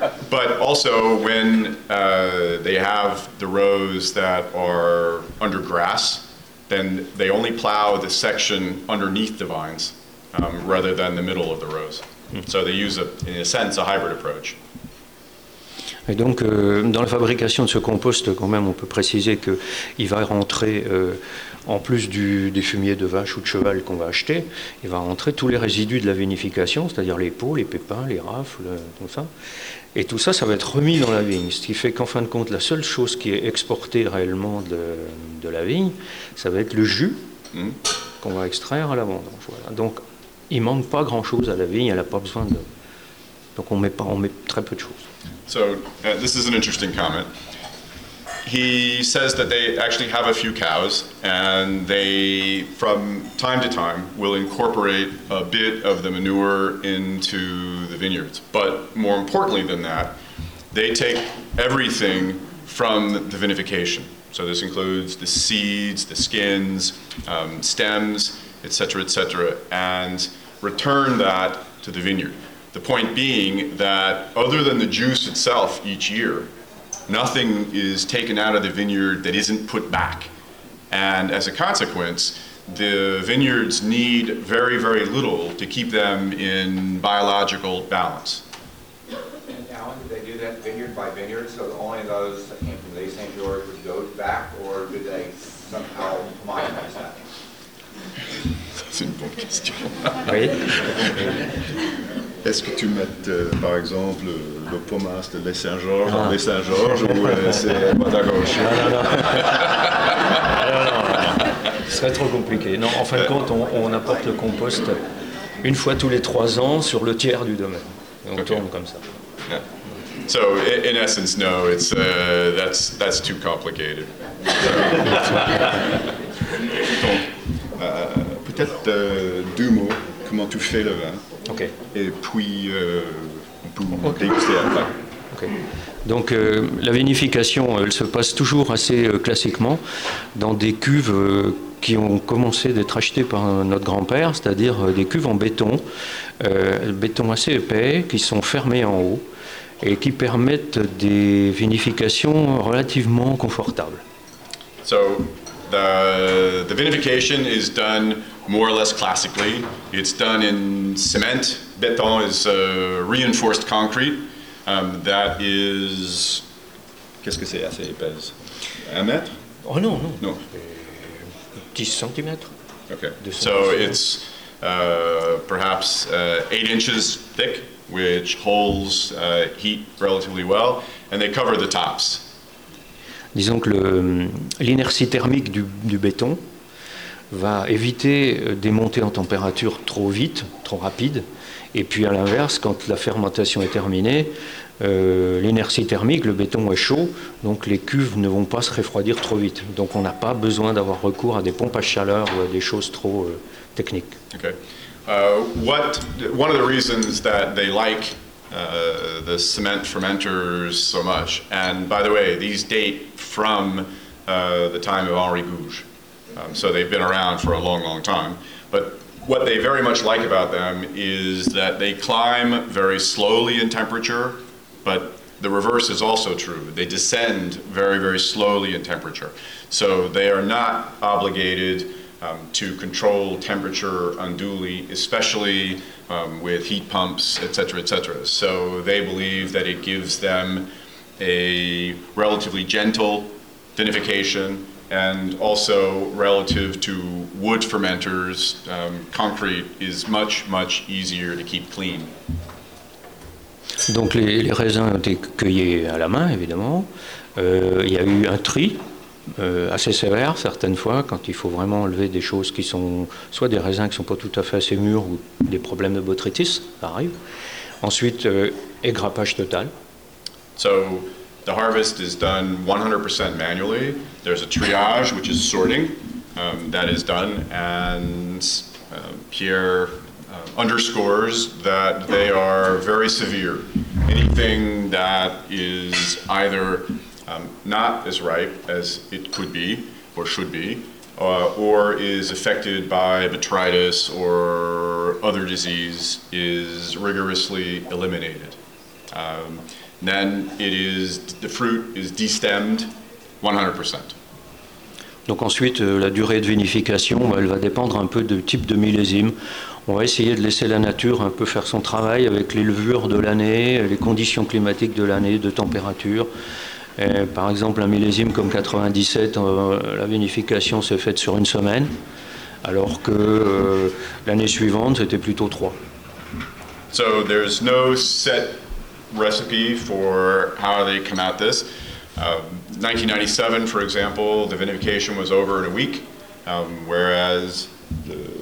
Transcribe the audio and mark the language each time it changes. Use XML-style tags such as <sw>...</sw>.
<en>But also when they have the rows that are under grass, then they only plow the section underneath the vines rather than the middle of the rows. So they use, in a sense, a hybrid approach.</en> <fr>Et donc, dans la fabrication de ce compost, quand même, on peut préciser qu'il va rentrer, en plus des fumiers de vache ou de cheval qu'on va acheter, il va rentrer tous les résidus de la vinification, c'est-à-dire les pots, les pépins, les rafles, tout ça. Et tout ça, ça va être remis dans la vigne. Ce qui fait qu'en fin de compte, la seule chose qui est exportée réellement de la vigne, ça va être le jus qu'on va extraire à la vendange. Voilà. Donc, il ne manque pas grand-chose à la vigne, elle n'a pas besoin de... Donc, on met très peu de choses.</fr> <en>So, this is an interesting comment. He says that they actually have a few cows, and they, from time to time, will incorporate a bit of the manure into the vineyards. But more importantly than that, they take everything from the vinification. So this includes the seeds, the skins, stems, etc., etc., and return that to the vineyard. The point being that other than the juice itself each year, nothing is taken out of the vineyard that isn't put back. And as a consequence, the vineyards need very, very little to keep them in biological balance. And Alan, did they do that vineyard by vineyard? So only those that came from the St. George would go back, or did they somehow homogenize that? That's a good question.</en> <fr>Est-ce que tu mets, par exemple, le pommas de Les Saint-Georges dans Les Saint-Georges ou c'est pas d'accord? Non. Ce serait trop compliqué. Non, en fin de compte, on apporte le compost une fois tous les trois ans sur le tiers du domaine. Et on tourne comme ça.</fr> <en>Yeah. So, in essence, no, it's that's too complicated.</en> <fr>Peut-être deux mots, comment tu fais le vin?</fr> <en>Okay.</en> <fr>Et puis, vous dégustez à la fin.</fr> <en>Okay.</en> <fr>Donc, la vinification, elle se passe toujours assez classiquement dans des cuves qui ont commencé d'être achetées par notre grand-père, c'est-à-dire des cuves en béton, béton assez épais, qui sont fermées en haut et qui permettent des vinifications relativement confortables.</fr> <en>So, the vinification is done more or less classically. It's done in cement. Béton is reinforced concrete. That is...</en> <fr>Qu'est-ce que c'est assez épais? Un mètre? Oh non, non. Non. 10 centimètres.</fr> <en>Okay. So it's perhaps 8 inches thick, which holds heat relatively well, and they cover the tops.</en> <fr>Disons que l'inertie thermique du béton va éviter des montées en température trop vite, trop rapide. Et puis à l'inverse, quand la fermentation est terminée, l'inertie thermique, le béton est chaud, donc les cuves ne vont pas se refroidir trop vite. Donc on n'a pas besoin d'avoir recours à des pompes à chaleur ou à des choses trop techniques.</fr> <en>Okay. One of the reasons that they like the cement fermenters so much, and by the way, these date from the time of Henri Gouges. So they've been around for a long, long time. But what they very much like about them is that they climb very slowly in temperature, but the reverse is also true. They descend very, very slowly in temperature. So they are not obligated to control temperature unduly, especially with heat pumps, et cetera, et cetera. So they believe that it gives them a relatively gentle vinification, and also relative to wood fermenters, concrete is much, much easier to keep clean.</en> <fr>Donc les raisins ont été cueillis à la main, évidemment. Il y a eu un tri assez sévère, certaines fois, quand il faut vraiment enlever des choses qui sont, soit des raisins qui ne sont pas tout à fait assez mûrs, ou des problèmes de botrytis, ça arrive. Ensuite, égrappage total.</fr> <en>So, the harvest is done 100% manually. There's a triage, which is sorting, that is done. And Pierre underscores that they are very severe. Anything that is either not as ripe as it could be or should be, or is affected by botrytis or other disease, is rigorously eliminated. Then the fruit is destemmed 100%.</en> <fr>Donc ensuite, la durée de vinification, elle va dépendre un peu du type de millésime. On va essayer de laisser la nature un peu faire son travail avec les levures de l'année, les conditions climatiques de l'année, de température. Et par exemple, un millésime comme 97, la vinification s'est faite sur une semaine, alors que l'année suivante, c'était plutôt trois.</fr> <en>So there's no set recipe for how they come at this. 1997, for example, the vinification was over in a week, whereas the</en>